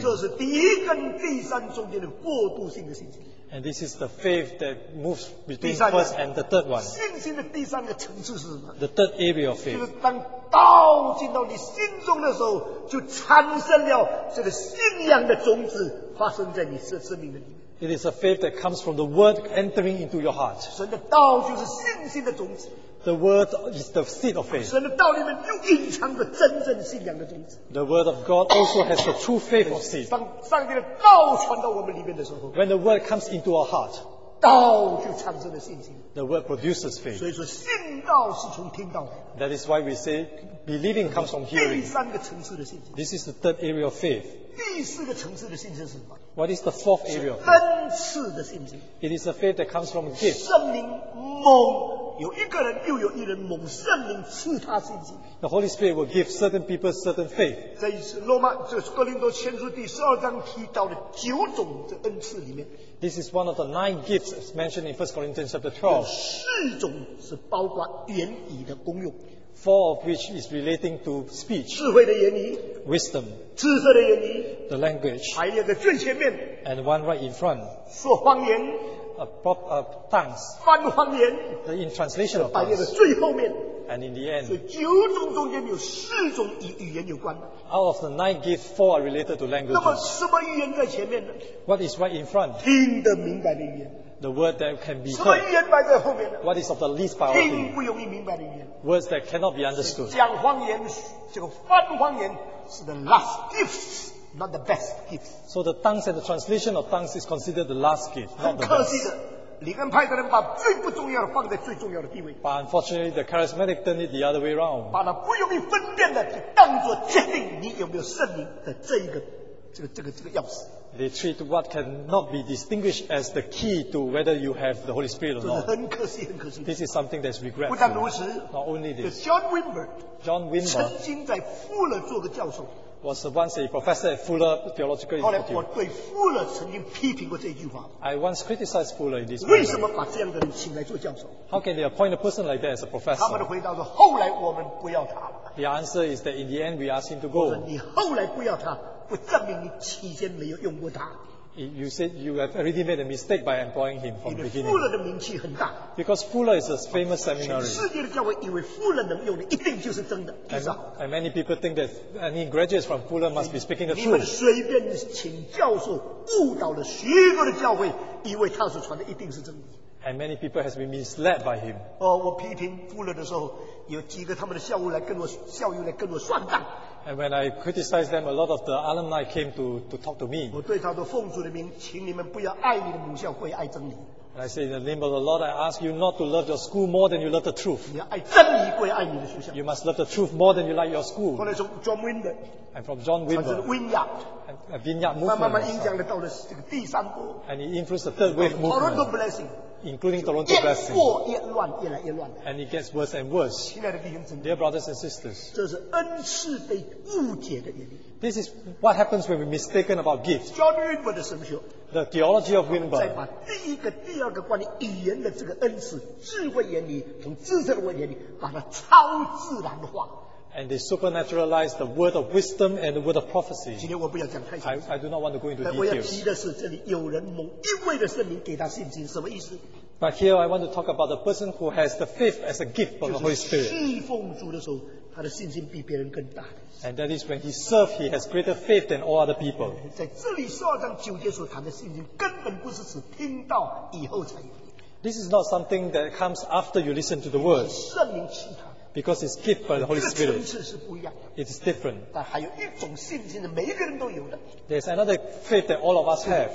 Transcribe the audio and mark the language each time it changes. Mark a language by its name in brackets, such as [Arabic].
[Chinese] 这是第一跟第三中间的过渡性的信心。 [English] And this is the faith that moves between the first and the third one. [Chinese] 信心的第三个层次是什么？ [English] The third area of faith. [Chinese] 就是当道进到你心中的时候，就产生了这个信仰的种子发生在你生命的里面。 [English] It is a faith that comes from the word entering into your heart. [Chinese] 神的道就是信心的种子。 [English] The word is the seed of faith. [Chinese] 神的道里面又隐藏着真正信仰的种子。 [English] The word of God also has the true faith of seed. [Chinese] 当上帝的道传到我们里面的时候 [English] ，When the word comes into our heart， [Chinese] 道就产生了信心。 [English] The word produces faith. [Chinese] 所以说，信道是从听到来的。 [English] That is why we say believing comes from hearing. [Chinese] 第三个层次的信心。 [English] This is the third area of faith. [Chinese] 第四个层次的信心是什么 [English] ？What is the fourth area of faith？ [Chinese] 恩赐的信心。 [English] It is a faith that comes from a gift. [Chinese] 圣灵蒙。有一个人又有一人蒙圣灵赐他信心。 [English] The Holy Spirit will give certain people certain faith. [Chinese] 在罗马这哥林多前书第十二章提到的九种的恩赐里面。 [English] This is one of the nine gifts mentioned in 1 Corinthians chapter 12. [Chinese] 四种是包括言语的功用。 [English] Four of which is relating to speech. [Chinese] 智慧的言语。 [English] Wisdom. [Chinese] 知识的言语。 [English] The language. [Chinese] 还有一个最前面。 [English] And one right in front. [Chinese] 说方言。 [English] Tongues, [Chinese] 翻方言 [English] in translation of tongues, [Chinese] 最后面 [English] and in the end, [Chinese] 所以九种中间有四种与语言有关的 [English] out of the nine gifts, four are related to languages. [Chinese] 那么什么语言在前面呢 [English] what is right in front? [Chinese] 听得明白的语言 [English] the word that can be heard. [Chinese] 什么语言摆在后面呢 [English] what is of the least priority? [Chinese] 听不容易明白的语言 [English] words that cannot be understood. [Chinese] 讲方言这个翻方言是 [English] the last gifts. Not the best gifts. So the tongues and the translation of tongues is considered the last gift, not the best. [Chinese] 理论派的人把最不重要的放在最重要的地位。 [English] But unfortunately, the charismatic turned it the other way around. [Chinese] 把那不容易分辨的就当作决定你有没有圣灵的这个钥匙。 [English] They treat what cannot be distinguished as the key to whether you have the Holy Spirit or not. [Chinese] 很可惜，很可惜。 [English] This is something that's regretful. [Chinese] 不但如此 [English] ，Not only this. [Chinese] John Wimber 曾经在富勒做个教授。 [English] Was once a professor at Fuller Theological Institute. [Chinese] 后来我对 Fuller 曾经批评过这句话。 [English] I once criticized Fuller in this way. [Chinese] 为什么把这样的人请来做教授 [English] ？How can they appoint a person like that as a professor？ [Chinese] 他们的回答是：后来我们不要他了。 [English] The answer is that in the end we ask him to go. [Chinese] 你后来不要他，不证明你期间没有用过他。 [English] You said you have already made a mistake by employing him from the beginning. [Chinese] 因为 Fuller 的名气很大。 [English] Because Fuller is a famous seminary. [Chinese] 全世界的教会以为 Fuller 能用的一定就是真的，就是好。 [English] And many people think that any graduates from Fuller must be speaking the truth. [Chinese] 你们随便请教授，误导了许多的教会，以为他所传的一定是真理。 [English] And many people have been misled by him. [Chinese] 我批评 Fuller 的时候，有几个他们的校友来跟我算账。 [English] And when I criticized them, a lot of the alumni came to talk to me. [Chinese] 我对他说，奉主的名，请你们不要爱你的母校，会爱真理。 [English] And I say, in the name of the Lord, I ask you not to love your school more than you love the truth. [Chinese] 你要爱真理，会爱你的学校。 [English] You must love the truth more than you like your school. [Chinese] 后来从 John Wimber. [English] And from John Wimber. [Chinese] 传承 Vineyard. [English] Vineyard movement. [Chinese] 慢慢影响了到了这个第三波。 [English] And he influenced the third wave movement. Toronto blessing. Including Toronto Blessing. [Chinese] 越过越乱，越来越乱。 [English] And it gets worse and worse. [Chinese] 亲爱的弟兄姊妹 [English] Dear brothers and sisters. [Chinese] 这是恩赐被误解的原因。 [English] This is what happens when we're mistaken about gifts. [Chinese] John Wimber 的神学。 [English] The theology of Wimber. [Chinese] 再把第一个、第二个关于语言的这个恩赐，智慧言语，从知识的言语，把它超自然化。 [English] And they supernaturalize the word of wisdom and the word of prophecy. [Chinese] 今天我不要讲太详细。 [English] I do not want to go into details. [Chinese] 我要提的是，这里有人蒙一位的圣灵给他信心，什么意思？ [English] But here I want to talk about the person who has the faith as a gift from the Holy Spirit. [Chinese] 就是侍奉主的时候，他的信心比别人更大。 [English] And that is when he served, he has greater faith than all other people. [Chinese] 在这里十二章九节所谈的信心，根本不是指听到以后才有。 [English] This is not something that comes after you listen to the word. [Chinese] 圣灵启他。 [English] Because it's gift by the Holy Spirit. [Chinese] 这个层次是不一样的。 [English] It's different. [Chinese] 但还有一种信心的，每一个人都有的。 [English] There's another faith that all of us have.